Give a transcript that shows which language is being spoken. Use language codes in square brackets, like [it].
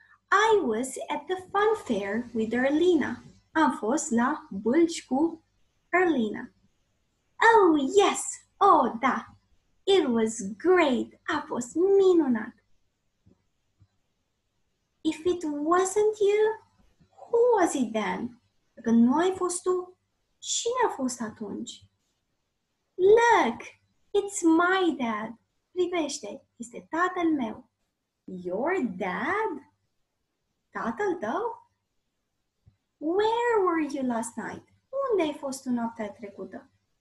[en] I was at the fun fair with Erlina. [ro] Am fost la bulci cu Erlina. [en] Oh, yes. [ro] Oh, da. [en] It was great. [ro] A fost minunat. [en] If it wasn't you, who was it then? [ro] Dacă nu ai fost tu, cine a fost atunci? [en] Look, it's my dad. [ro] Privește, este tatăl meu. [en] Your dad? [ro] Tatăl tău? [en] Where were you last night? [ro] Unde ai fost tu noaptea trecută?